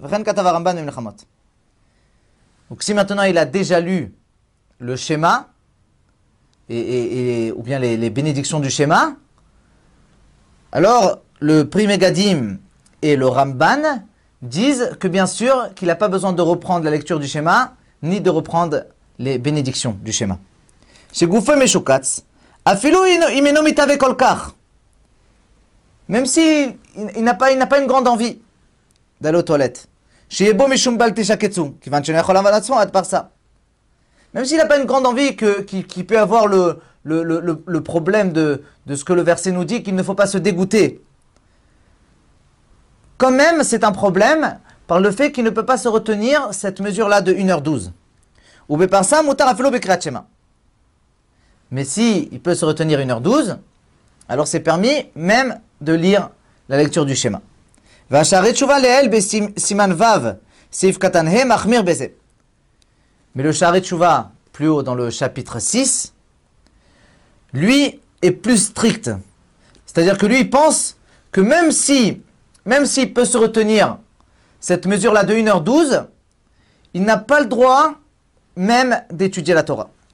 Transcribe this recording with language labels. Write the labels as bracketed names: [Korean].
[Hebrew] Vechen katav Ramban b'Melachamot. [French] Donc si maintenant il a déjà lu le schéma, ou bien les bénédictions du schéma, alors le Primegadim et le Ramban disent que bien sûr qu'il n'a pas besoin de reprendre la lecture du schéma, ni de reprendre les bénédictions du schéma. [Hebrew] C'est Goufé Meshukatz. Afilou imeno mitave kolkar. [French] Même si il n'a pas une grande envie d'aller aux toilettes. [Hebrew] שיהיה בו משום בל תשקצו, כיוון שאני יכול לעמוד עצמו עד פרסה. [French] Même s'il n'a pas une grande envie qu'il peut avoir le problème de ce que le verset nous dit, qu'il ne faut pas se dégoûter. Quand même, c'est un problème par le fait qu'il ne peut pas se retenir cette mesure-là de 1h12. Ou bien parsa, [Hebrew] moutar afilo bekriat shema. [French] Mais si il peut se retenir 1h12, alors c'est permis même de lire la lecture du schéma. [Hebrew] והשערי תשובה לאל בסימן וו, סעיף קטן ה, מחמיר בזה. [French] Mais le שערי תשובה, plus haut dans le chapitre 6, lui est plus strict. C'est-à-dire que lui pense que même s'il peut se retenir cette mesure-là de 1h12, il n'a pas le droit même d'étudier la Torah.